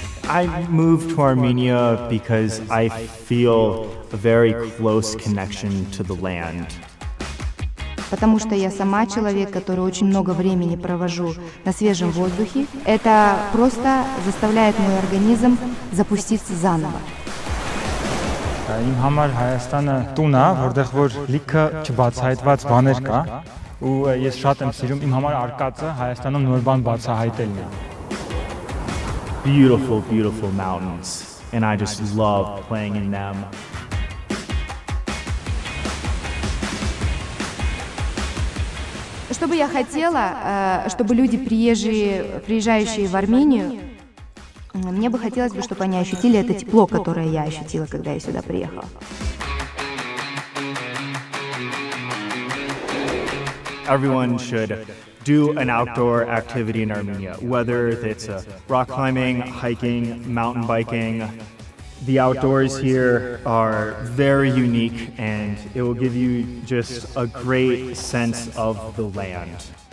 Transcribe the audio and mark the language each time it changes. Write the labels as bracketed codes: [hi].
[en] I moved to Armenia because I feel a very close connection to the land. [ru] Потому что я сама человек, который очень много времени провожу на свежем воздухе, это просто заставляет мой организм запуститься заново. [hy] Իմ համար Հայաստանը տուն է, որտեղ որ լիքը չբացահայտված բաներ կա, ու ես շատ եմ սիրում իմ համար արկածը Հայաստանում նոր բան բացահայտելն է. [en] Beautiful, beautiful mountains, and I just love playing in them. [ru] Что бы я хотела, чтобы люди приезжие, приезжающие в Армению, мне бы хотелось бы, чтобы они ощутили это тепло, которое я ощутила, когда я сюда приехала. [en] Everyone should do an outdoor activity in Armenia, whether it's rock climbing, hiking, mountain biking. The outdoors here are very unique and it will give you just a great sense of the land.